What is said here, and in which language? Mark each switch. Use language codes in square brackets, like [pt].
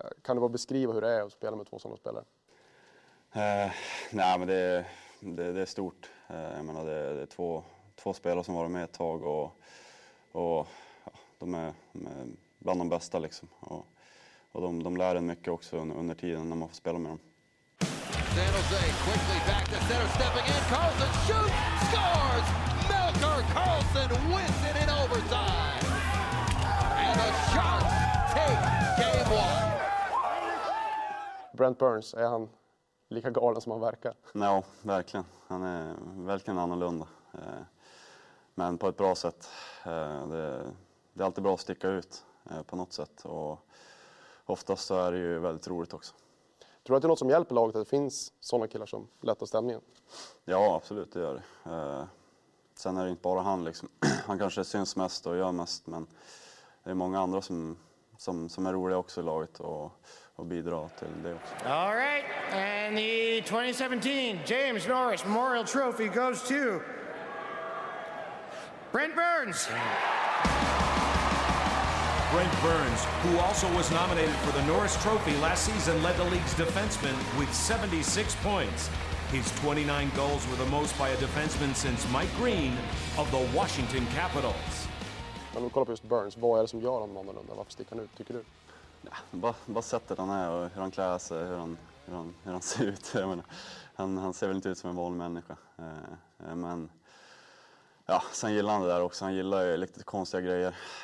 [sv] Kan du bara beskriva hur det är att spela med två sådana spelare? Nej, men det är stort. Jag menar, det är två spelare som varit med ett tag och ja, de är bland de bästa liksom. Och de lär en mycket också under tiden när man får spela med dem. [en] San Jose quickly back to center, stepping in, Carlson shoots, scores! Melker Carlson wins it in overtime! And the Sharks take game one! [sv] Brent Burns, är han lika galen som han verkar? Ja, verkligen. Han är verkligen annorlunda. Men på ett bra sätt. Det är alltid bra att sticka ut på något sätt. Och oftast så är det ju väldigt roligt också. Tror du att det är något som hjälper laget att det finns sådana killar som lättar stämningen? Ja, absolut, det gör det. Sen är det inte bara han liksom. Han kanske syns mest och gör mest, men det är många andra som är roliga också i laget och bidrar till det också. [en] All right, and the 2017 James Norris Memorial Trophy goes to Brent Burns. Brent Burns, who also was nominated for the Norris Trophy last season, led the league's defensemen with 76 points. His 29 goals were the most by a defenseman since Mike Green of the Washington Capitals. [sv] Men kolla på just Burns, vad är det som gör honom annorlunda? Varför sticker han ut, tycker du? Ja, bara sättet han är och hur han klär sig, hur han ser ut. Jag menar, han ser väl inte ut som en vanlig människa. Men ja, sen gillar han det där också. Han gillar ju lite konstiga grejer.